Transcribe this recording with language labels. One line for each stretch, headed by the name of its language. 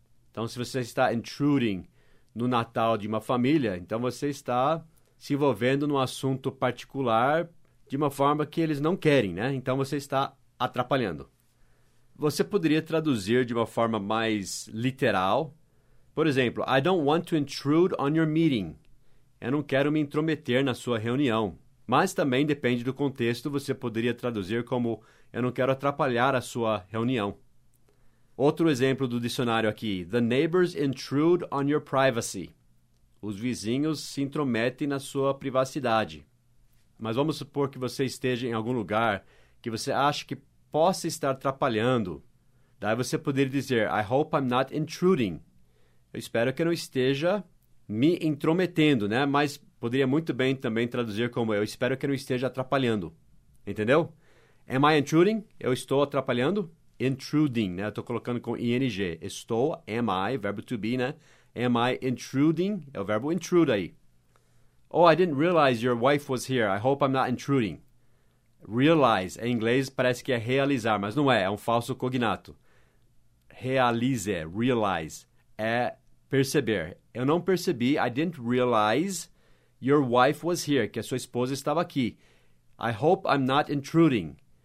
Portuguese: Então, se você está intruding no Natal de uma família, então você está se envolvendo num assunto particular de uma forma que eles não querem, né? Então, você está atrapalhando. Você poderia traduzir de uma forma mais literal. Por exemplo,
English: I don't want to intrude on your meeting.
Portuguese: Eu não quero me intrometer na sua reunião. Mas também depende do contexto, você poderia traduzir como eu não quero atrapalhar a sua reunião. Outro exemplo do dicionário aqui.
English: The neighbors intrude on your privacy.
Portuguese: Os vizinhos se intrometem na sua privacidade. Mas vamos supor que você esteja em algum lugar que você acha que possa estar atrapalhando. Daí você poderia dizer,
English: I hope I'm not intruding.
Portuguese: Eu espero que eu não esteja me intrometendo, né? Mas poderia muito bem também traduzir como, eu espero que eu não esteja atrapalhando. Entendeu?
English: Am I intruding?
Portuguese: Eu estou atrapalhando? Intruding, né? Eu estou colocando com ing. Estou,
English: am I,
Portuguese: verbo to be, né?
English: Am I intruding?
Portuguese: É o verbo intrude aí.
English: Oh, I didn't realize your wife was here. I hope I'm not intruding.
Portuguese: Realize, em inglês, parece que é realizar, mas não é, é um falso cognato. Realize, realize, é perceber. Eu não percebi,
English: I didn't realize your wife was here,
Portuguese: que a sua esposa estava aqui.
English: I hope I'm not intruding.